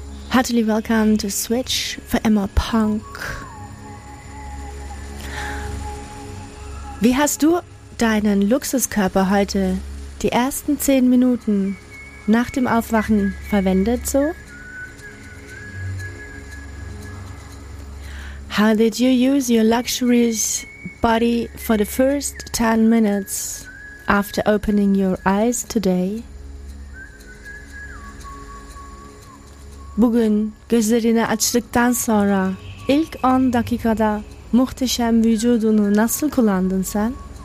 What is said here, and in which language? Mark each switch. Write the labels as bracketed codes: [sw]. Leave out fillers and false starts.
[en] Heartily welcome to Switch for Emma Punk. [de] Wie hast du deinen Luxuskörper heute die ersten 10 Minuten nach dem Aufwachen verwendet so? [en] How did you use your luxurious body for the first 10 minutes after opening your eyes today? [tr] Bugün gözlerini açtıktan sonra ilk 10 dakikada muhteşem vücudunu nasıl kullandın sen?